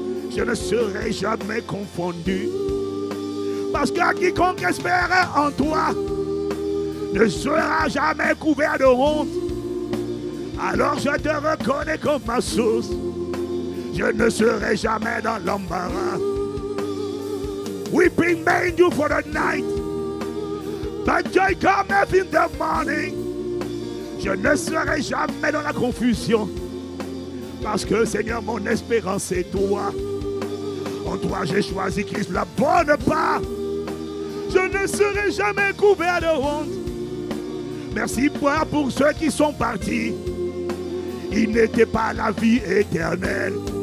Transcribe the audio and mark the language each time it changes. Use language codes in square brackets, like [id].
[fr] Je ne serai jamais confondu, parce que quiconque espère en toi ne sera jamais couvert de honte. Alors je te reconnais comme ma source. Je ne serai jamais dans l'embarras. [en] Weeping may do for the night, but joy cometh in the morning. [fr] Je ne serai jamais dans la confusion, parce que Seigneur, mon espérance est toi. En toi j'ai choisi Christ, la bonne part. Je ne serai jamais couvert de honte. Merci Père pour ceux qui sont partis. Ils n'étaient pas la vie éternelle.